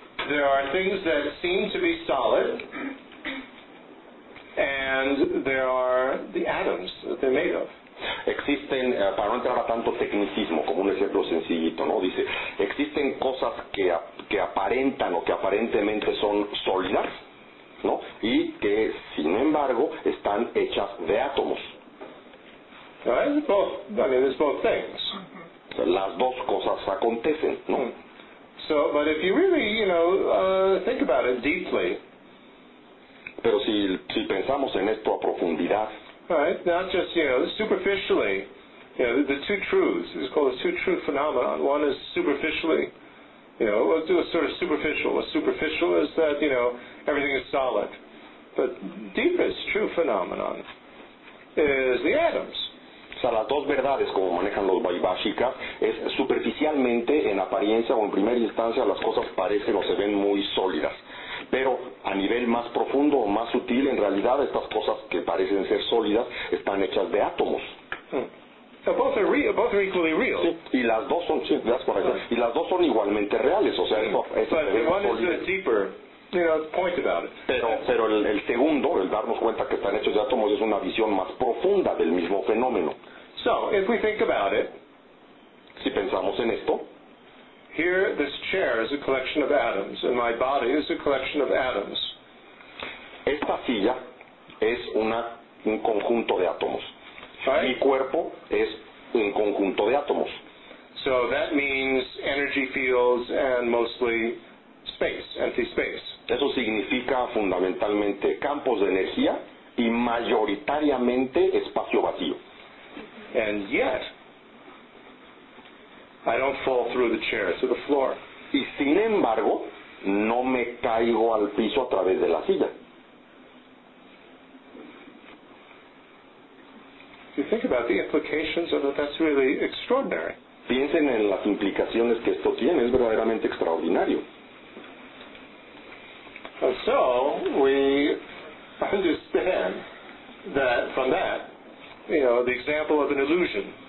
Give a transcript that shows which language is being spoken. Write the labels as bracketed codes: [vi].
[en] There are things that seem to be solid, and there are the atoms that they're made of. [es] Existen, para no entrar a tanto tecnicismo, como un ejemplo sencillito, ¿no? Dice, existen cosas que aparentan o que aparentemente son sólidas, ¿no? Y que, sin embargo, están hechas de átomos. [en] It's both things. [es] Las dos cosas acontecen, ¿no? [en] So, but if you really, you know, think about it deeply. [es] Pero si pensamos en esto a profundidad. [en] Right, not just, you know, superficially, you know, the two truths, it's called the two-truth phenomenon. One is superficially, you know, let's do a sort of superficial. A superficial is that, you know, everything is solid. But deepest true phenomenon is the atoms. [es] O sea, las dos verdades, como manejan los vaibhashikas, es superficialmente, en apariencia o en primera instancia, las cosas parecen o se ven muy sólidas. Pero a nivel más profundo o más sutil, en realidad, estas cosas que parecen ser sólidas están hechas de átomos. [en] Both are equally real. [es] Sí, y las dos son, sí, ¿verdad? Y las dos son igualmente reales, o sea, eso es [en] deeper. You know, point about it. [es] Pero el segundo, el darnos cuenta que están hechos de átomos, es una visión más profunda del mismo fenómeno. [en] So, if we think about it, [es] si pensamos en esto, [en] here this chair is a collection of atoms, and my body is a collection of atoms. [es] Esta silla es un conjunto de átomos. [en] Right? [es] Mi cuerpo es un conjunto de átomos. [en] So that means energy fields and mostly space, empty space. [es] Eso significa fundamentalmente campos de energía y mayoritariamente espacio vacío. [en] And yet, I don't fall through the chair to the floor. [es] Y sin embargo, no me caigo al piso a través de la silla. [en] You think about the implications of it, that's really extraordinary. [es] Piensen en las implicaciones que esto tiene, es verdaderamente extraordinario. [en] So we understand that from that, you know, the example of an illusion.